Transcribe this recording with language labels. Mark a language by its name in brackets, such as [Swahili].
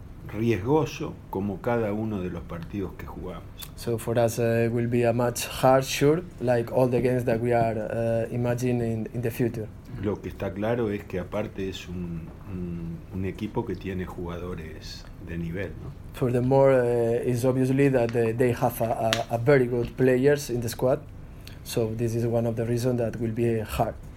[Spanish] Riesgoso como cada uno de los partidos que jugamos. [English] So for us will be a match hard, sure, like all the games that we are imagining in the future. [Spanish] Lo que está claro es que aparte es un equipo que tiene jugadores de nivel, ¿no? [English] Furthermore, it's obviously that they have a very good players in the squad, so this is one of the reasons that will be hard.